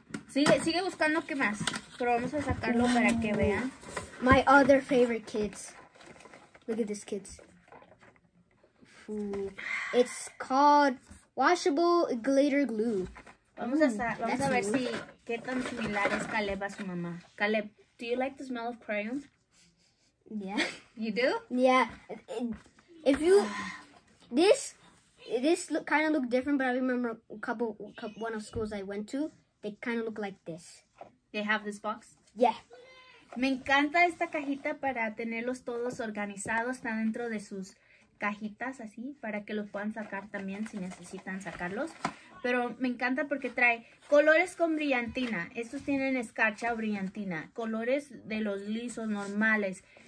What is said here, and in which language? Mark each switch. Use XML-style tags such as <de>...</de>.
<es>Sigue buscando qué más, pero vamos a sacarlo para que vean.</es> <en>My other favorite kids. Look at this, kids. It's called washable glitter glue.</en> <es>Vamos a ver si qué tan similar es Caleb a su mamá.</es> <en>Caleb, do you like the smell of crayons? Yeah. You do? Yeah. If you this look kind of look different, but I remember one of schools I went to, they kind of look like this. They have this box? Yeah.</en> <es>Me encanta esta cajita para tenerlos todos organizados, está dentro de sus cajitas así para que los puedan sacar también si necesitan sacarlos. Pero me encanta porque trae colores con brillantina. Estos tienen escarcha o brillantina. Colores de los lisos normales.</es>